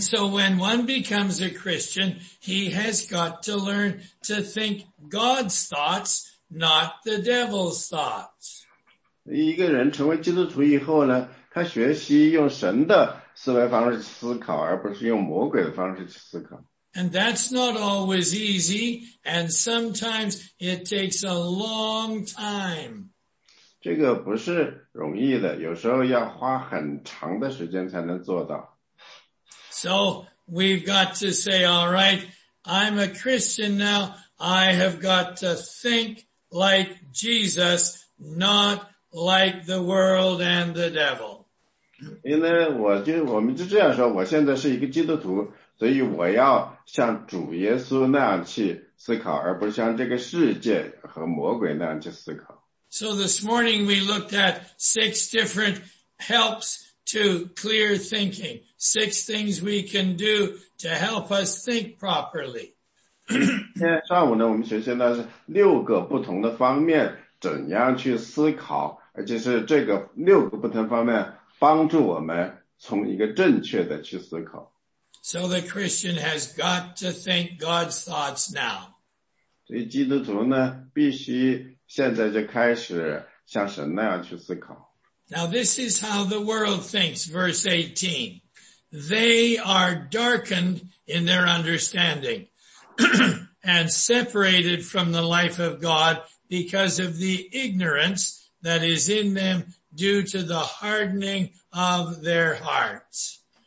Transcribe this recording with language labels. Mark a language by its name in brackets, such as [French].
[English] so when one becomes a Christian, he has got to learn to think God's thoughts, not the devil's thoughts. [Chinese] 一个人成为基督徒以后呢，他学习用神的思维方式去思考，而不是用魔鬼的方式去思考。 [English] And that's not always easy, and sometimes it takes a long time. [Chinese] 这个不是容易的，有时候要花很长的时间才能做到。 [English] So we've got to say, all right, I'm a Christian now. I have got to think like Jesus, not like the world and the devil. [Chinese] 因为我们就这样说，我现在是一个基督徒，所以我要像主耶稣那样去思考，而不是像这个世界和魔鬼那样去思考。 [English] So this morning we looked at six different helps to clear thinking. Six things we can do to help us think properly. [Chinese] 今天上午呢，我们学习的是六个不同的方面，怎样去思考，而且是这个六个不同方面帮助我们从一个正确的去思考。 [English] So the Christian has got to think God's thoughts now. [Chinese] 所以基督徒呢，必须现在就开始像神那样去思考。 [English] Now this is how the world thinks, verse 18. They are darkened in their understanding and separated from the life of God because of the ignorance that is in them due to the hardening of their hearts.